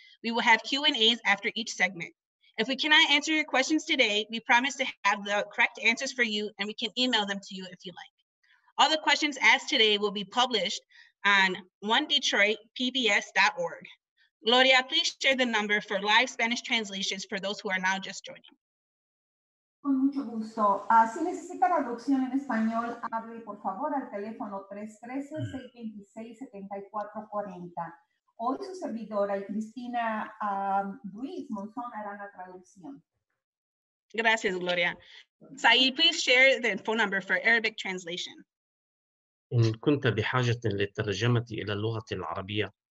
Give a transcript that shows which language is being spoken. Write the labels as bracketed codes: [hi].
[en] We will have Q&As after each segment. If we cannot answer your questions today, we promise to have the correct answers for you and we can email them to you if you like. All the questions asked today will be published on onedetroitpbs.org. Gloria, please share the number for live Spanish translations for those who are now just joining. [es] Con mucho gusto. Si necesita traducción en español, hable por favor al teléfono 313-626-7440. Hoy su servidora y Cristina Ruiz Monzón harán la traducción. Gracias, Gloria. [en] Saeed, please share the phone number for Arabic translation. [ar] إن كنت بحاجة للترجمة إلى اللغة العربية،